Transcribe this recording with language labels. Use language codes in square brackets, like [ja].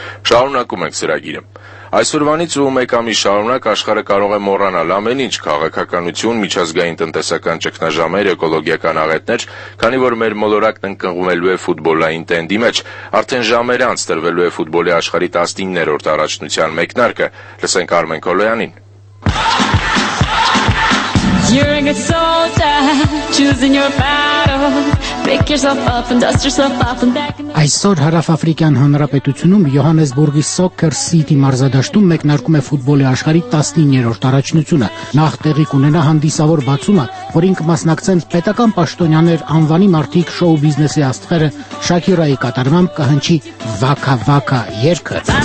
[hy] Շարունակում ենք ծրագիրը։ Այսօրվանից ու մեկ ամիս շարունակ աշխարը կարող է մոռանալ ամեն ինչ՝ քաղաքականություն, միջազգային տնտեսական ճգնաժամեր, էկոլոգիական աղետներ, քանի որ մեր մոլորակն ընկնվելու է ֆուտբոլային տենդի մեջ, արդեն ժամեր անց տրվելու է ֆուտբոլի աշխարհի 19-րդ առաջնության մեկնարկը։ Լսենք Արմեն Կոլոյանին։ [en] You're a soldier, choosing your battle. Pick yourself up and dust yourself off and back. [hy] Այսօր Հարավաֆրիկյան Հանրապետությունում Յոհանեսբուրգի Soccer City մարզադաշտում մեկնարկում է ֆուտբոլի աշխարհի 19-րդ առաջնությունը։ Նախ տեղի կունենա հանդիսավոր բացումը, որին կմասնակցեն պետական պաշտոնյաներ, անվանի մարտիկ, շոու բիզնեսի աստղերը, Շաքիրայի կատարմամբ կհնչի Վակա Վակա երգը։